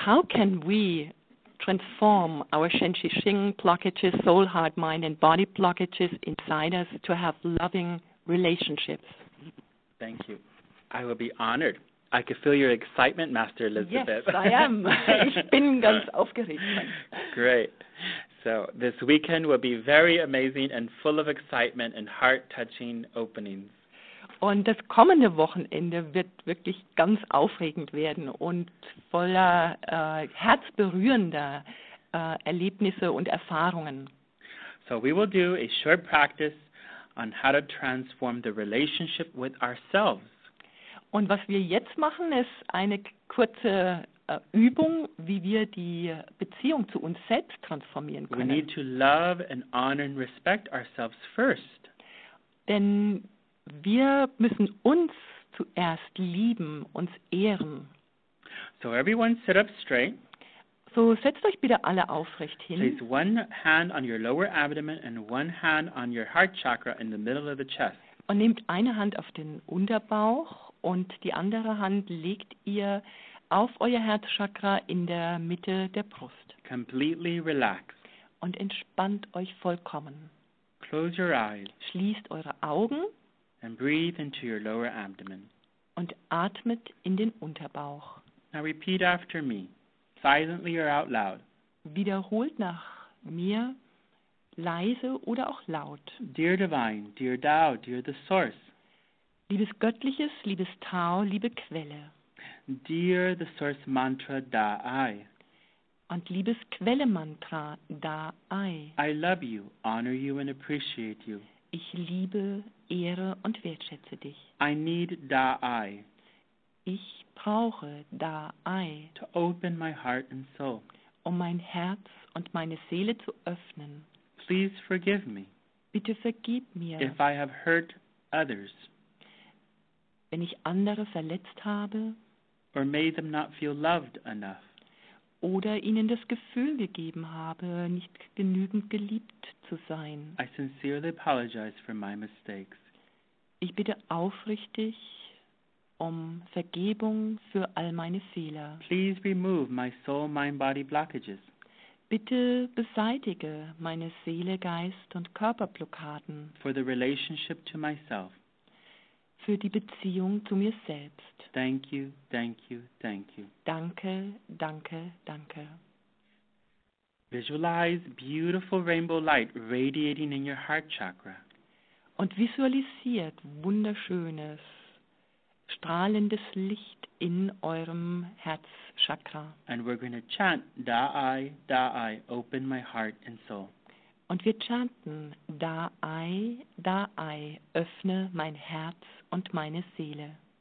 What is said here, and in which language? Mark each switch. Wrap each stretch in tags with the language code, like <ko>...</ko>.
<en>How can we transform our Shen Shi Xing blockages, soul, heart, mind, and body blockages inside us to have loving relationships? Thank you. I will be honored. I can feel your excitement, Master Elizabeth. Yes, I am.</en> <de>Ich bin ganz aufgeregt.</de> <en>Great. So this weekend will be very amazing and full of excitement and heart-touching openings.</en> <de>Und das kommende Wochenende wird wirklich ganz aufregend werden und voller herzberührender Erlebnisse und Erfahrungen.</de> <en>So we will do a short practice on how to transform the relationship with ourselves.</en> <de>Und was wir jetzt machen, ist eine kurze Übung, wie wir die Beziehung zu uns selbst transformieren können.</de> <en>We need to love and honor and respect ourselves first.</en> <de>Denn wir müssen uns zuerst lieben, uns ehren.</de> <en>So everyone sit up straight.</en> <de>So setzt euch bitte alle aufrecht hin.</de> <en>Place one hand on your lower abdomen and one hand on your heart chakra in the middle of the chest.</en> <de>Und nehmt eine Hand auf den Unterbauch und die andere Hand legt ihr auf euer Herzchakra in der Mitte der Brust.</de> <en>Completely relax.</en> <de>Und entspannt euch vollkommen.</de> <en>Close your eyes.</en> <de>Schließt eure Augen.</de> <en>And breathe into your lower abdomen.</en> <de>Und atmet in den Unterbauch.</de> <en>Now repeat after me, silently or out loud.</en> <de>Wiederholt nach mir, leise oder auch laut.</de> <en>Dear Divine, dear Tao, dear the Source.</en> <de>Liebes Göttliches, liebes Tao, liebe Quelle.</de> <en>Dear the Source Mantra, Da I.</en> <de>Und liebes Quelle Mantra, Da I.</de> <en>I love you, honor you and appreciate you.</en> <de>Ich liebe, ehre und wertschätze dich.</de> <en>I need Da I.</en> <de>Ich brauche Da I.</de> <en>To open my heart and soul.</en> <de>Um mein Herz und meine Seele zu öffnen.</de> <en>Please forgive me.</en> <de>Bitte vergib mir.</de> <en>If I have hurt others.</en> <de>Wenn ich andere verletzt habe.</de> <en>Or made them not feel loved enough.</en> <de>oder ihnen das Gefühl gegeben habe, nicht genügend geliebt zu sein.</de> <en>I sincerely apologize for my mistakes.</en> <de>Ich bitte aufrichtig um Vergebung für all meine Fehler.</de> <en>Please remove my soul, mind, body blockages.</en> <de>Bitte beseitige meine Seele, Geist und Körperblockaden.</de> <en>For the relationship to myself.</en> <de>Für die Beziehung zu mir selbst.</de> <en>Thank you, thank you, thank you.</en> <de>Danke, danke, danke.</de> <en>Visualize beautiful rainbow light radiating in your heart chakra.</en> <de>Und visualisiert wunderschönes, strahlendes Licht in eurem Herzchakra.</de> <en>And we're going to chant, da I, open my heart and soul.</en> <de>Und wir chanten, da I, öffne mein Herz und meine Seele.</de>